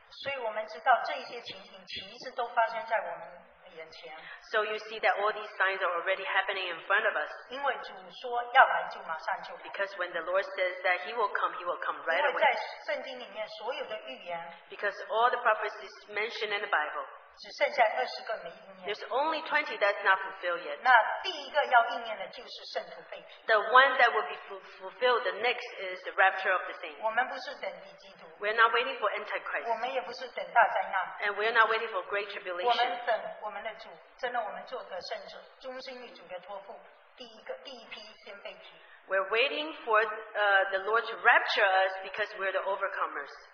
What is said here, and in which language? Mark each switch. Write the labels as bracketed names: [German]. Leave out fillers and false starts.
[English] So you see that all these signs are already happening in front of us. Because when the Lord says that He will come right away. Because all the prophecies mentioned in the Bible, There's only 20 that's not fulfilled yet. [Chinese] 那第一个要应验的就是圣徒被提。The [English] one that will be fulfilled the next is the rapture of the saints. [Chinese] 我们不是等于基督。We're [English] not waiting for Antichrist. [Chinese] 我们也不是等大灾难。And [English] we're not waiting for great tribulation. [Chinese] 我们等我们的主，真的我们做的圣者，忠心与主的托付，第一个第一批先被提。We're [English] waiting for the Lord to rapture us because we're the overcomers.